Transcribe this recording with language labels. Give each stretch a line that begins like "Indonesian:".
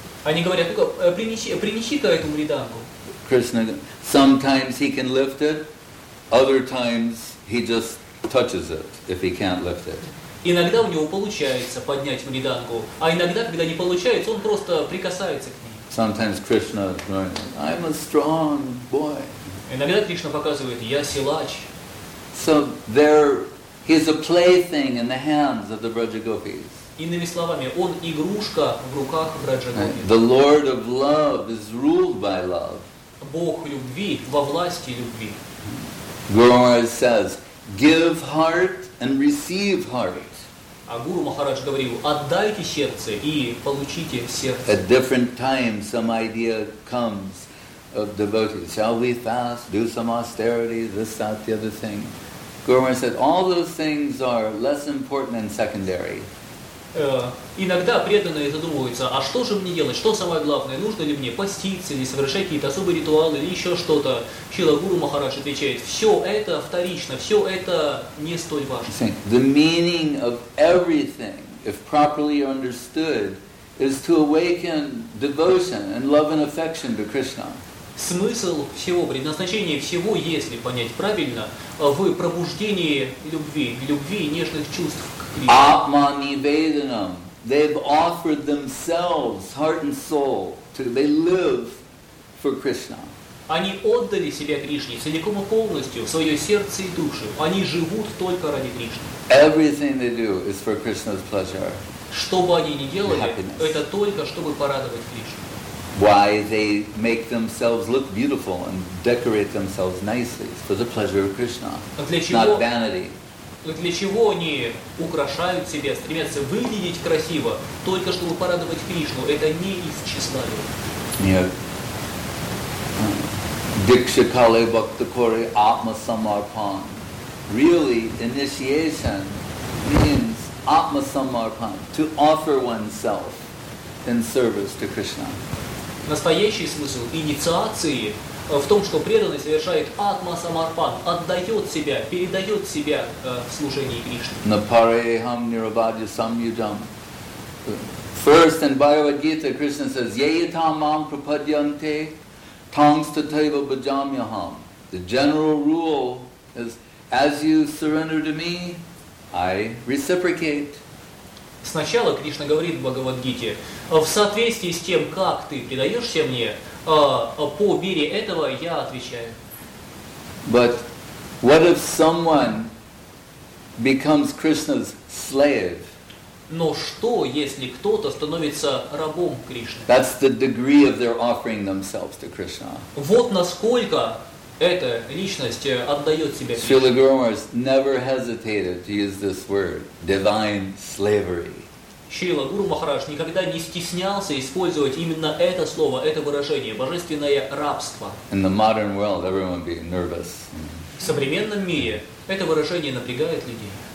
Russian: Они говорят, ну-ка, принеси-ка эту мридангу.
English: Krishna, sometimes he can lift it, other times he just touches it if he can't lift it.
Russian: Иногда у него получается поднять мридангу, а иногда, когда не получается, он просто прикасается к ней.
English: Sometimes Krishna is going, I'm a strong boy.
Russian: Иногда Кришна показывает, я силач.
English: So there, he's a plaything in the hands of the Brajagopis.
Russian: Иными словами, он игрушка в руках Брадж-гопи.
English: The Lord of Love is ruled by love.
Russian: Бог любви во власти любви.
English: Guru Maharaj says, give heart and receive heart.
Russian: А Гуру Махарадж говорил, отдайте сердце и получите сердце.
English: At different times some idea comes of devotees. Shall we fast, do some austerity, this, that, the other thing? Guru Maharaj said, all those things are less important and secondary.
Russian: Иногда преданные задумываются, а что же мне делать, что самое главное, нужно ли мне поститься или совершать какие-то особые ритуалы или еще что-то. Шрила Гуру Махарадж отвечает, все это вторично, все это не столь важно.
English: The meaning of everything, if properly understood, is to awaken devotion and love and affection to Krishna.
Russian: Смысл всего, предназначение всего, если понять правильно, в пробуждении любви, любви и нежных чувств к Кришне.
Sanskrit: Atmanivedanam.
English: They've offered themselves, heart and soul, to, they live for Krishna.
Russian: Они отдали себя Кришне целиком и полностью, свое сердце и душу. Они живут только ради Кришны.
English: Everything they do is for Krishna's pleasure.
Russian: Что бы они ни делали, это только чтобы порадовать Кришну.
English: Why they make themselves look beautiful and decorate themselves nicely for the pleasure of Krishna, not vanity.
Russian: Для чего они украшают себя, стремятся выглядеть красиво, только чтобы порадовать Кришну? Это не из тщеславия. Нет.
Bangla: Дикша кале бхакта коре атма самарпан.
English: Really, initiation means атма самарпан, to offer oneself in service to Krishna.
Russian: Настоящий смысл инициации в том, что преданный совершает атма самарпан, отдает себя, передает себя в служении Кришне.
Sanskrit: Напареham nirabhaja samyutam.
English: First in Bhagavad Gita Krishna says,
Sanskrit: Yeyatamam prapadyante tangstateva bhajamyaham.
English: The general rule is, as you surrender to me, I reciprocate.
Russian: Сначала Кришна говорит в Бхагавад-гите, в соответствии с тем, как ты предаешься мне, по мере этого я отвечаю.
English: But what if someone becomes Krishna's slave?
Russian: Но что, если кто-то становится рабом Кришны?
English: That's the degree of their offering themselves to Krishna.
Russian: Вот насколько эта личность отдает себя Кришне.
English: Srila Guru Maharaj never hesitated to use this word, divine slavery.
Russian: Шрила Гуру Махарадж никогда не стеснялся использовать именно это слово, это выражение, божественное рабство.
English: In the modern world, everyone be nervous.
Russian: В современном мире это выражение напрягает людей.